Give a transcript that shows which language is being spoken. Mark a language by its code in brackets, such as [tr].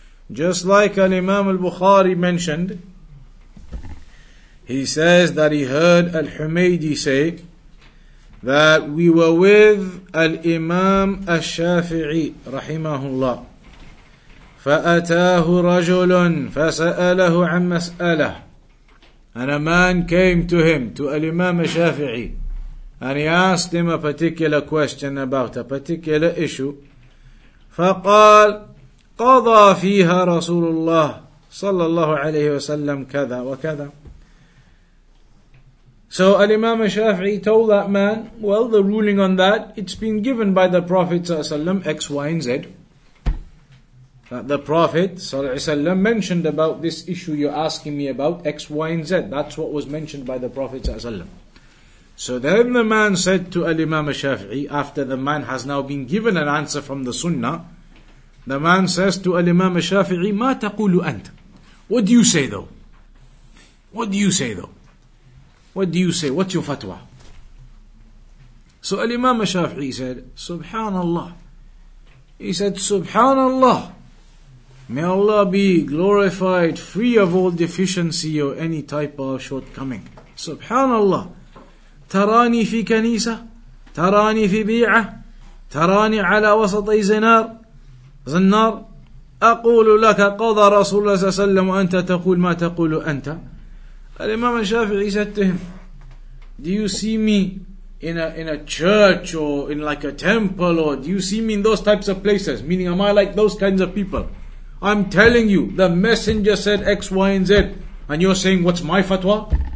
[en] Just like Al-Imam Al-Bukhari mentioned, he says that he heard Al-Humaydi say that we were with Al-Imam Al-Shafi'i, rahimahullah. [ar] فَأَتَاهُ رَجُلٌ فَسَأَلَهُ عَمْ مَسْأَلَهُ. [en] And a man came to him, to Al-Imam Al-Shafi'i, and he asked him a particular question about a particular issue. [ar] فقال قضى فيها رسول الله صلى الله عليه وسلم كذا وكذا. [en] So Al-Imam Al-Shafi'i told that man, well, the ruling on that, it's been given by the Prophet ﷺ, X, Y, and Z, that the Prophet ﷺ mentioned about this issue you're asking me about, X, Y, and Z. That's what was mentioned by the Prophet ﷺ. So then the man said to Al-Imam Al-Shafi'i, after the man has now been given an answer from the Sunnah, the man says to Al-Imam Al-Shafi'i, [ar] مَا تَقُولُ أَنْتَ. [en] What do you say though? What do you say though? What do you say? What's your fatwa? So Al-Imam Al-Shafi'i said, Subhanallah. He said, Subhanallah. May Allah be glorified, free of all deficiency or any type of shortcoming. Subhanallah. [ar] تراني في كنيسة تراني في بيعة تراني على وسطي زنار زنار أقول لك قضى رسول الله صلى الله عليه وسلم وأنت تقول ما تقول أنت. [en] الإمام الشافعي said to him, do you see me in a church or in like a temple, or do you see me in those types of places, meaning am I like those kinds of people? I'm telling you the messenger said X, Y, and Z, and you're saying what's my fatwa?